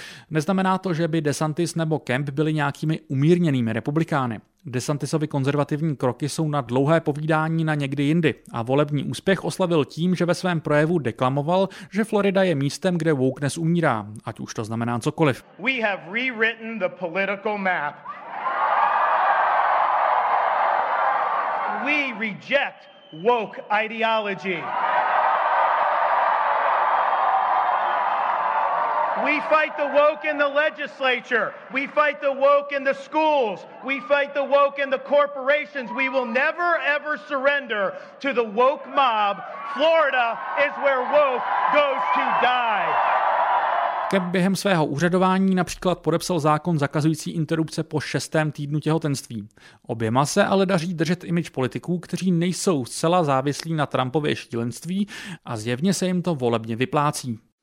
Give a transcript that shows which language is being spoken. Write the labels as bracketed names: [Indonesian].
[Czech] Neznamená to, že by DeSantis nebo Kemp byli nějakými umírněnými republikány. DeSantisovi konzervativní kroky jsou na dlouhé povídání na někdy jindy a volební úspěch oslavil tím, že ve svém projevu deklamoval, že Florida je místem, kde wokeness umírá, ať už to znamená cokoliv. [English] We have rewritten the political map. We reject woke ideology. We fight the woke in the legislature. We fight the woke in the schools. We fight the woke in the corporations. We will never ever surrender to the woke mob. Florida is where woke goes to die. [Czech] Kemp během svého úřadování například podepsal zákon zakazující interrupce po 6. týdnu těhotenství. Oběma se ale daří držet image politiků, kteří nejsou zcela závislí na Trumpově šílenství a zjevně se jim to volebně vyplácí.